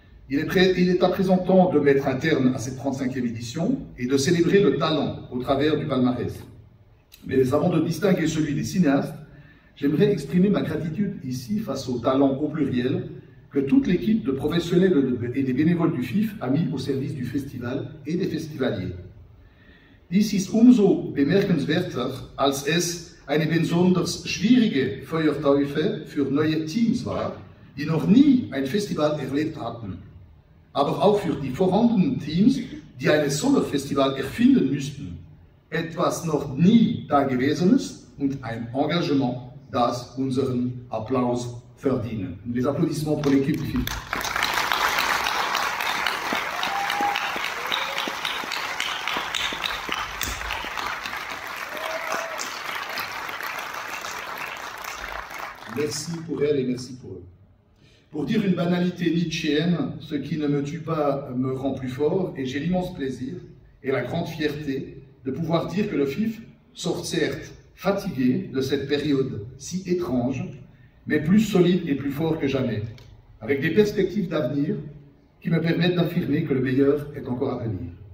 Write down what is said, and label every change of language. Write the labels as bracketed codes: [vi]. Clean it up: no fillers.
[fr] Il est à présent temps de mettre un terme à cette 35e édition et de célébrer le talent au travers du palmarès. Mais avant de distinguer celui des cinéastes, j'aimerais exprimer ma gratitude ici face au talent au pluriel que toute l'équipe de professionnels et des bénévoles du FIF a mis au service du festival et des festivaliers. [de] Dies ist umso bemerkenswerter, als es eine besonders schwierige Feuertaufe für neue Teams war, die noch nie ein Festival erlebt hatten. Aber auch für die vorhandenen Teams, die ein Sommerfestival erfinden müssten, etwas noch nie Dagewesenes und ein Engagement, das unseren Applaus verdient. [fr] Les applaudissements pour l'équipe du FIF. Merci pour elle et merci pour eux. Pour dire une banalité nietzschéenne, ce qui ne me tue pas me rend plus fort, et j'ai l'immense plaisir et la grande fierté de pouvoir dire que le FIF sort certes fatigué de cette période si étrange, mais plus solide et plus fort que jamais, avec des perspectives d'avenir qui me permettent d'affirmer que le meilleur est encore à venir.